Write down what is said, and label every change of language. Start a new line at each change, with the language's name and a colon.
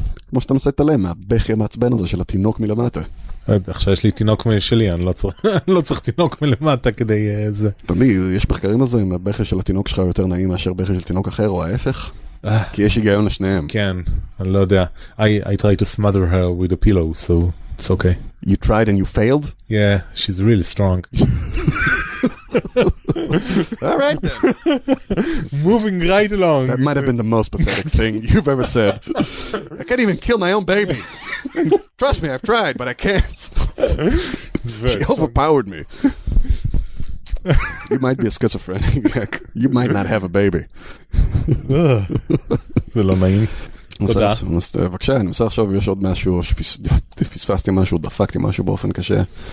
Hebrew: כמו שאתה נושא תלם, מהבכי המעצבן הזה של התינוק מלמטה. עכשיו יש לי תינוק שלי, אני לא צריך תינוק מלמטה כדי זה. תמיד, יש מחקרים על זה, אם הבכי של התינוק שלך יותר נעים מאשר בכי של תינוק אחר או ההפך. כי יש היגיון לשניהם. כן, אני לא יודע.
English: I try to smother her with a pillow, so... It's okay. You tried and you failed? Yeah, she's really strong. All right then. Moving right along. That might have been the most pathetic thing you've ever said. I can't even kill my own baby. Trust me, I've tried, but I can't. She overpowered me. You might be a schizophrenic. You might not have a baby.
Hebrew: ולא נעים. תודה. בבקשה, אני מנסה עכשיו, יש עוד משהו, שפספסתי משהו, דפקתי משהו באופן קשה.